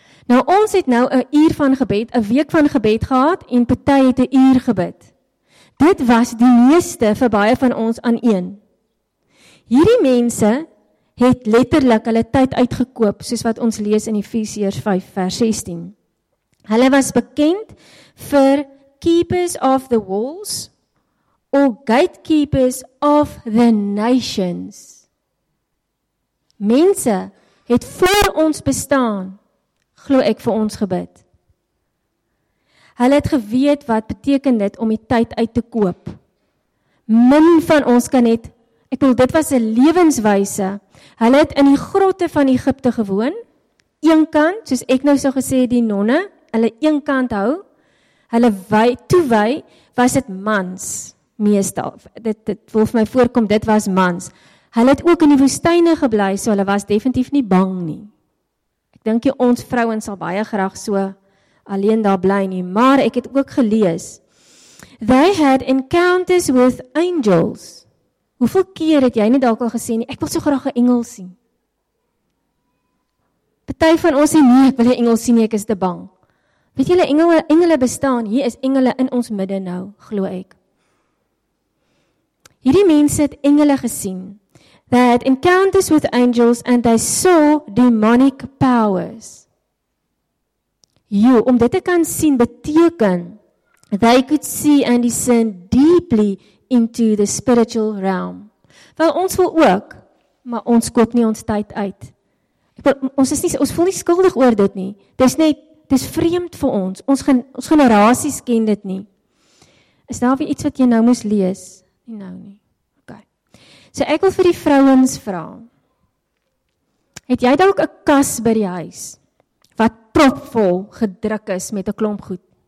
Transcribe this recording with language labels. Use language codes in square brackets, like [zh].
[af] Nou, ons het nou 'n uur van gebed, 'n week van gebed gehad, en party het 'n uur gebid. Dit was die meeste vir baie van ons aan een. Hierdie mense het letterlik hulle tyd uitgekoop, soos wat ons lees in Efesiërs 5 vers 16. Hulle was bekend vir [en] keepers of the walls, or gatekeepers of the nations. [af] Mense het voor ons bestaan, glo ek, vir ons gebid. Hulle het geweet wat beteken dit om die tyd uit te koop. Min van ons kan net, ek wil, dit was 'n lewenswyse. Hulle het in die grotte van Egipte gewoon, een kant, soos ek nou sou gesê, die nonne, hulle een kant hou, hulle wy, toe wy, was dit mans, meestal. Dit wil vir my voorkom, dit was mans. Hulle het ook in die woestyne gebly, so hulle was definitief nie bang nie. Dink jy ons vrouens sal baie graag so alleen daar bly nie, maar ek het ook gelees. [en] They had encounters with angels. [af] Hoeveel keer het jy nie dalk al gesê nie, ek wil so graag 'n engel sien. Party van ons sê nee, ek wil 'n engel sien nie, ek is te bang. Weet julle, engele bestaan, hier is engele in ons midde nou, glo ek. Hierdie mense het engele gesien. [en] They had encounters with angels and they saw demonic powers. [af] Jo, om dit te kan sien beteken, [en] they could see and discern deeply into the spiritual realm. [af] Wel, ons wil ook, maar ons koop nie ons tyd uit. Ons voel nie skuldig oor dit nie. Dis vreemd vir ons. Ons generasies ken dit nie. Is daar weer iets wat jy nou moes lees? Nie nou nie. So ek wil vir die vrouens vra. Het jy dalk 'n kas by die huis wat propvol gedruk is met 'n klomp goed?